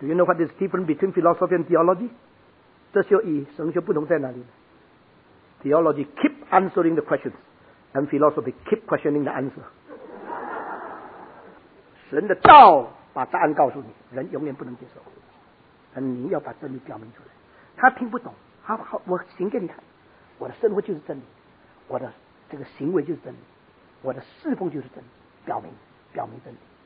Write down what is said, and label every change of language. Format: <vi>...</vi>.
<en>Do you know what is different between philosophy and theology？</en> <zh>哲学与神学不同在哪里？</zh> <en>Theology keep answering the questions and philosophy keep questioning the answer。</en> <zh>神的道把答案告诉你，人永远不能接受，但你要把真理表明出来，他听不懂，好好，我行给你看，我的生活就是真理，我的这个行为就是真理，我的侍奉就是真理，表明，表明真理。</zh>